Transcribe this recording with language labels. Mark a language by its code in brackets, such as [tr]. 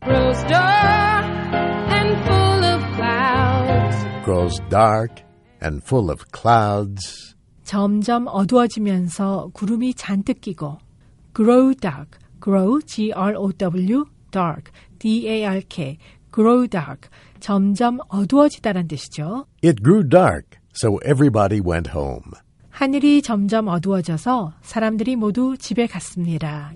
[en] grows dark and full of clouds. Grows dark and full of clouds. [ko] 점점 어두워지면서 구름이 잔뜩 끼고 [en] grow dark, grow, [ko] G-R-O-W, [en] dark, D-A-R-K, grow dark, [ko] 점점 어두워지다란 뜻이죠. [en] It grew dark, so everybody went home. [ko] 하늘이 점점 어두워져서 사람들이 모두 집에 갔습니다.